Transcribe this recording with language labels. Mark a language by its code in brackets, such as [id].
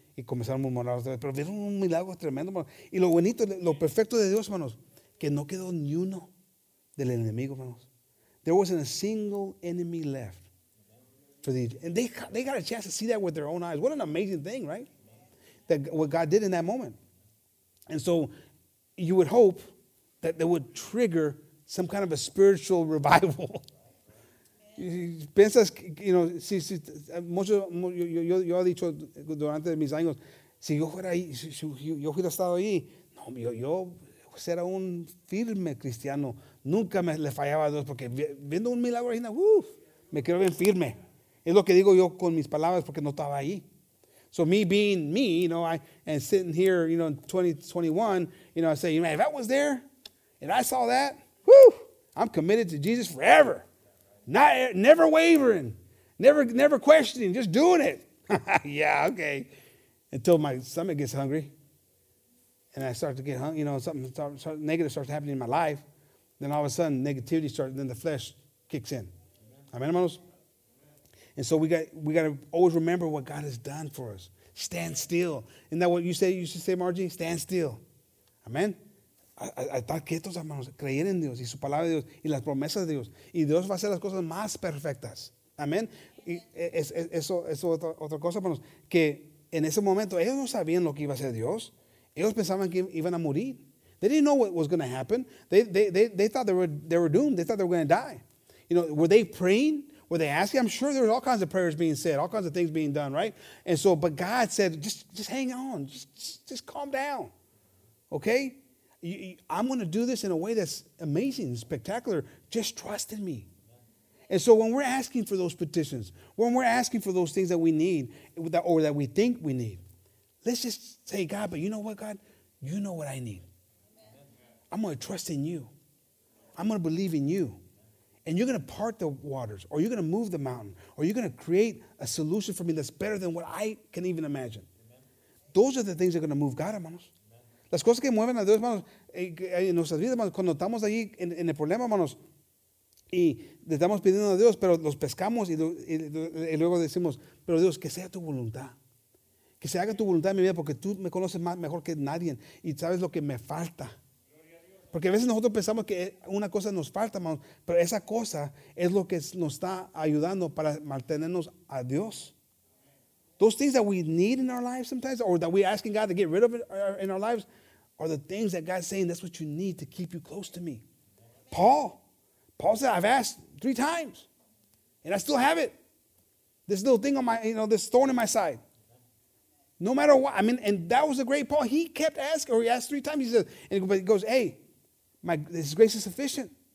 [es] Y comenzaron a murmurar otra vez. Pero vieron un milagro tremendo. Y lo bonito, lo perfecto de Dios, hermanos, que no quedó ni uno del enemigo, hermanos. [en] There wasn't a single enemy left. For the, and they got a chance to see that with their own eyes. What an amazing thing, right? That what God did in that moment. And so you would hope that they would trigger some kind of a spiritual revival. [es] Piensas, [en] you know, [es] si mucho yo he dicho durante mis años, si yo fuera ahí, si yo hubiera estado ahí, no, yo era un firme cristiano, nunca me le fallaba a Dios, porque viendo un milagro ahí, me quiero bien firme. Es lo que digo yo con mis palabras, porque no estaba ahí. [en] So me being me, you know, and sitting here, you know, in 2021, you know, I say, you know, if I was there and I saw that, I'm committed to Jesus forever. Never wavering, never questioning, just doing it. Yeah, okay. Until my stomach gets hungry, and I start to get hungry, you know, something negative starts happening in my life. Then all of a sudden, negativity starts. Then the flesh kicks in. Amen, hermanos. And so we got to always remember what God has done for us. Stand still. Isn't that what you say? You should say, Margie, stand still. Amen. [es] Estar quietos, hermanos, creer en Dios y su palabra de Dios y las promesas de Dios, y Dios va a hacer las cosas más perfectas. Amén. Y eso otra cosa, hermanos, que en ese momento ellos no sabían lo que iba a hacer Dios. Ellos pensaban que iban a morir. [en] They didn't know what was going to happen. They thought they were doomed. They thought they were going to die. You know, were they praying? Were they asking? I'm sure there were all kinds of prayers being said, all kinds of things being done, right? And so, but God said, just hang on, just calm down, okay? I'm going to do this in a way that's amazing, spectacular. Just trust in me. And so when we're asking for those petitions, when we're asking for those things that we need or that we think we need, let's just say, God, but you know what, God? You know what I need. I'm going to trust in you. I'm going to believe in you. And you're going to part the waters, or you're going to move the mountain, or you're going to create a solution for me that's better than what I can even imagine. Those are the things that are going to move God, hermanos. [es] Las cosas que mueven a Dios, hermanos, en nuestras vidas, hermanos, cuando estamos ahí en el problema, hermanos, y le estamos pidiendo a Dios, pero los pescamos y luego decimos, pero Dios, que sea tu voluntad. Que se haga tu voluntad en mi vida porque tú me conoces más, mejor que nadie y sabes lo que me falta. Porque a veces nosotros pensamos que una cosa nos falta, hermanos, pero esa cosa es lo que nos está ayudando para mantenernos a Dios. [en] Those things that we need in our lives sometimes, or that we're asking God to get rid of it in our lives, are the things that God's saying, that's what you need to keep you close to me. Paul said, I've asked 3 times, and I still have it. This little thing on my, you know, this thorn in my side. No matter what, I mean, and that was a great Paul. He kept asking, or he asked 3 times, he said, and he goes, hey, my, his grace is sufficient.